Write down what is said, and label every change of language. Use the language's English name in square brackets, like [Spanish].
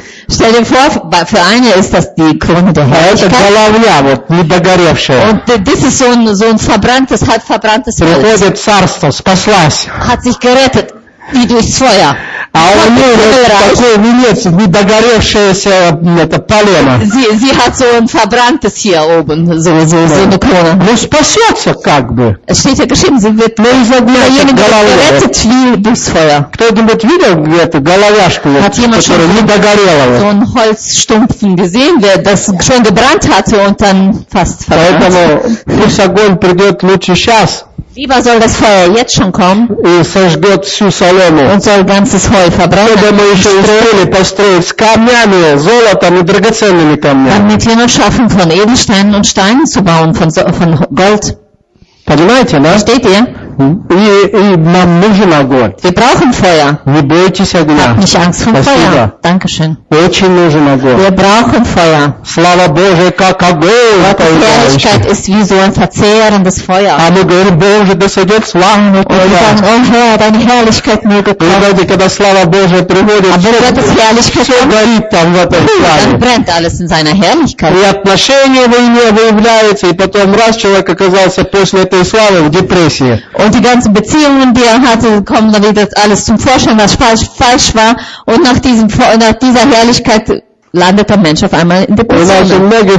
[German] Stell dir vor, für eine ist das die Krone der Herrlichkeit. Und das ist so ein verbranntes, halb verbranntes Holz. Hat sich gerettet, wie durchs Feuer. [Russian] А у нее такой венец, недогоревшееся это полено. [German] Sie hat so ein verbranntes hier oben, so eine Krone. [Russian] Ну спасется как бы. [German] Es steht ja geschrieben, sie wird gerettet wie durchs Feuer. [Russian] Кто-нибудь видел эту головяшку, которая недогорела? [German] So ein Holzstumpfen gesehen, der das schon gebrannt hatte und dann fast verbrannt. [Russian] Поэтому пусть огонь придет лучше сейчас. [German] Lieber soll das Feuer jetzt schon kommen und soll ganzes Heu verbrennen, damit wir noch schaffen, von Edelsteinen und Steinen zu bauen, von Gold. [Russian] Понимаете, да? [German] Versteht ihr? [Russian] И нам нужен огонь. [German] Wir brauchen Feuer. [Russian] Не бойтесь огня. [German] Hab nicht Angst vor Feuer. Dankeschön. [Russian] Очень нужен огонь. [German] Wir brauchen Feuer. [Russian] Слава Боже, как огонь. [German] Herrlichkeit ist wie so ein verzehrendes Feuer. [Russian] А мы говорим, Боже, да сойдет слава на Твоя. [German] Und wir sagen, oh Herr, deine Herrlichkeit möge kommen. [Russian] И знаете, когда слава Божия приходит, [German] aber Gottes Herrlichkeit [Russian] все горит там в этой славе. [German] Dann brennt alles in seiner Herrlichkeit. [Russian] И отношения в ней выявляются, и потом раз человек оказался после этой славы в депрессии. [German] Und die ganzen Beziehungen, die er hatte, kommen dann wieder alles zum Vorschein, was falsch war. Und nach dieser Herrlichkeit landet der Mensch auf einmal in Depressionen.